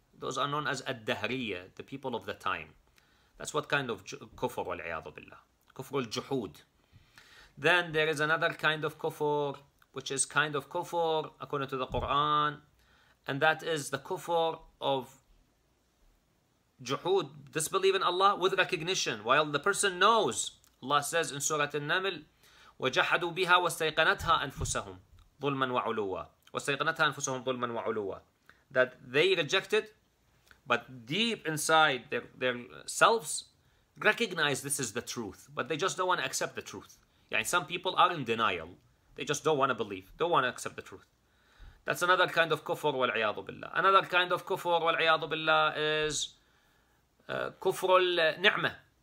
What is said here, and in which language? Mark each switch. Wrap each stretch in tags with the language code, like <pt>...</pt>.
<en>Those are known as ad-dahriya, the people of the time. That's what kind of kufr wal-iyadu billah. Kufr al-juhud. Then there is another kind of kufr, which is kind of kufr according to the Quran, and that is the kufr of juhud, disbelief in Allah with recognition, while the person knows. Allah says in Surah An-Naml,</en> <ar>وَجَحَدُوا بِهَا وَاسْتَيْقَنَتْهَا أَنفُسَهُمْ ظُلْمًا وَعُلُوًّا وَاسْتَيْقَنَتْهَا أَنفُسَهُمْ ظُلْمًا وَعُلُوًّا.</ar> <en>That they rejected, but deep inside their selves, recognize this is the truth, but they just don't want to accept the truth. Yeah, and some people are in denial. They just don't want to believe, don't want to accept the truth. That's another kind of kufr wal-iyadu billah. Another kind of kufr wal-iyadu billah is kufr al-ni'mah.</en>